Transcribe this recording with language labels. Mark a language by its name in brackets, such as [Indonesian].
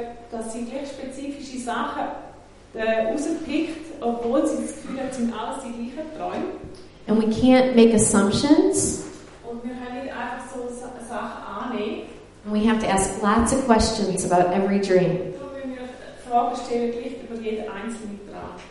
[German] Dass sie gleich spezifische Sachen rauspickt, obwohl sie das Gefühl hat, sind alles die gleichen Träume. [English] And we can't make assumptions. [German] Und wir können nicht einfach so Sachen annehmen. [English] And we have to ask lots of questions about every dream. [German] Darum müssen wir Fragen stellen gleich über jeden einzelnen Traum.